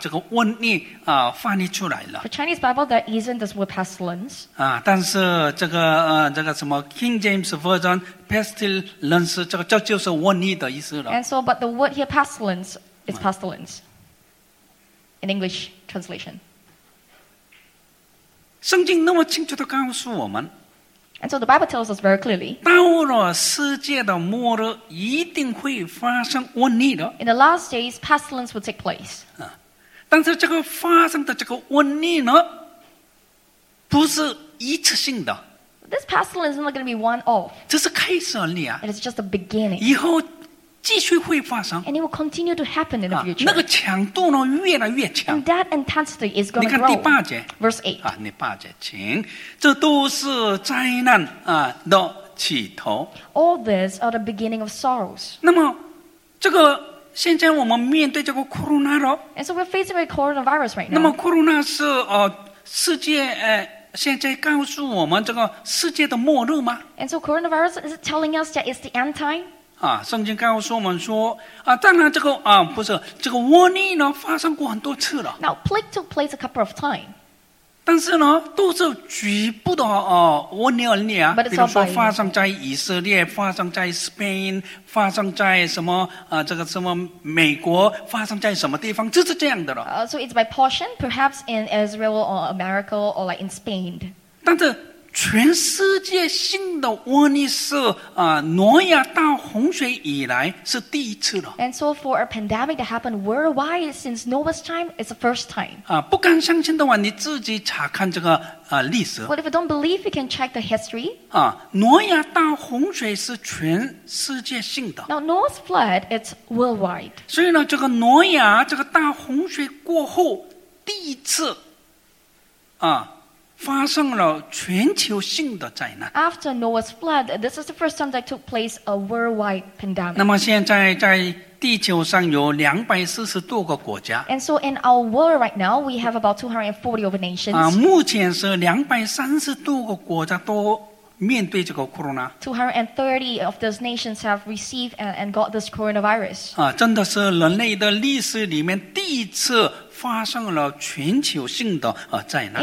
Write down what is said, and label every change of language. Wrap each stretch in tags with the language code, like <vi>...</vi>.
<zh>现在这个马太福音第二十四章第七节华文圣经呢没有把这个瘟疫翻译出来了</zh> <en>For Chinese Bible, there isn't this word pestilence.</en> <zh>但是这个什么 King James Version pestilence 这就是瘟疫的意思了</zh> <en>And so, but the word here pestilence is pestilence in English translation.</en> <zh>圣经那么清楚地告诉我们</zh> <en>And so the Bible tells us very clearly</en> <zh>到了世界的末日一定会发生瘟疫的</zh> <en>In the last days, pestilence will take place</en> <zh>但是这个发生的这个瘟疫呢 不是一次性的</zh> <en>This pestilence is not going to be one-off</en> <zh>这是开始而已啊</zh> <en>It is just the beginning</en> <zh>以后继续会发生</zh> <en>And it will continue to happen in the future</en> <zh>那个强度呢越来越强</zh> <en>And that intensity is going to grow</en> <zh>你看第八节</zh> <en>Verse 8</en> <zh>第八节请 这都是灾难的起头</zh> <en>All this are the beginning of sorrows</en> <zh>那么这个现在我们面对这个 corona 了</zh> <en>And so we're facing a coronavirus right now</en> <zh>那么 corona 是世界现在告诉我们这个世界的末日吗</zh> <en>And so coronavirus is it telling us that it's the end time</en> <zh>圣经告诉我们说，当然这个瘟疫呢发生过很多次了。</zh> <en>Now plague took place a couple of times.</en> <zh>但是呢，都是局部的瘟疫而已啊。比如说发生在以色列，发生在Spain，发生在什么这个什么美国，发生在什么地方，就是这样的了。</zh> <en>So it's by portion, perhaps in Israel or America or like in Spain.</en> <zh>但是 全世界性的瘟疫是挪亚大洪水以来是第一次了</zh> <en>And so for a pandemic that happened worldwide since Noah's time, it's the first time</en> <zh>不敢相信的话,你自己查看这个历史</zh> <en>Well, if you don't believe, you can check the history</en> <zh>挪亚大洪水是全世界性的</zh> <en>Now, Noah's flood, it's worldwide</en> <zh>所以呢,这个挪亚这个大洪水过后,第一次 发生了全球性的灾难</zh> <en>After Noah's flood, this is the first time that took place a worldwide pandemic</en> <zh>那么现在在地球上有240多个国家</zh> <en>And so in our world right now, we have about 240 over nations</en> <zh>目前是230多个国家都面对这个 corona</zh> <en>230 of those nations have received and got this coronavirus</en> <zh>真的是人类的历史里面第一次 发生了全球性的灾难</zh>